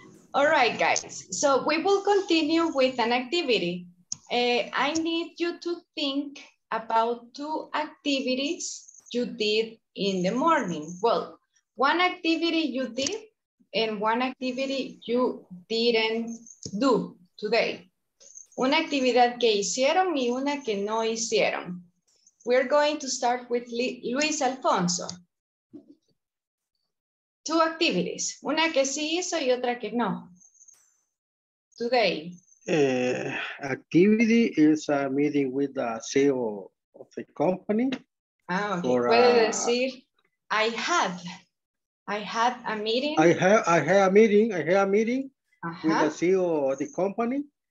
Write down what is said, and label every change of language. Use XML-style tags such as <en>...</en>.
<en>All right, guys. So we will continue with an activity. I need you to think about two activities you did in the morning. Well, one activity you did and one activity you didn't do today.</en> <es>Una actividad que hicieron y una que no hicieron.</es> <en>We're going to start with Luis Alfonso. Two activities,</en> <es>una que sí hizo y otra que no.</es> <en>Today. Activity is a meeting with the CEO of the company. Ah, okay. Or,</en> <es>puede decir,</es> <en>I had a meeting. I had a meeting uh-huh. With the CEO of the company.</en>